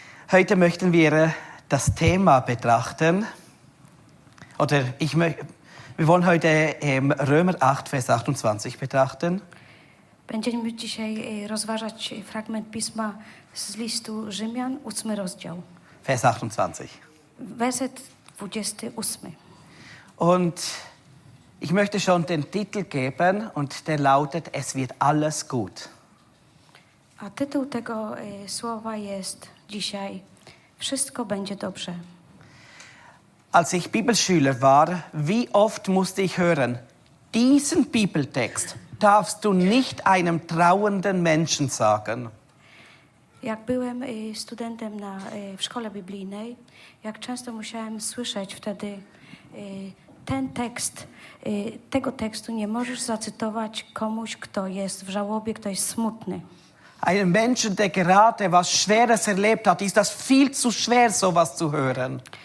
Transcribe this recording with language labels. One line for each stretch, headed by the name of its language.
German: Heute möchten wir das Thema betrachten. Oder wir wollen heute Römer 8, Vers 28 betrachten.
Polish: Będziemy dzisiaj rozważać fragment pisma z listu Rzymian, 8 rozdział.
German: Vers 28.
Polish: Werset 28.
German: Und ich möchte schon den Titel geben und der lautet, es wird alles gut.
Polish: A tytuł tego słowa jest dzisiaj, wszystko będzie dobrze.
German: Als ich Bibelschüler war, wie oft musste ich hören, diesen Bibeltext darfst du nicht einem trauenden Menschen sagen.
Polish: Jak byłem studentem w szkole biblijnej, jak często musiałem słyszeć wtedy ten tekst, tego tekstu nie możesz zacytować komuś, kto jest w żałobie, kto jest smutny.
German: Einem Menschen, der gerade was Schweres erlebt hat, ist das viel zu schwer, sowas zu hören.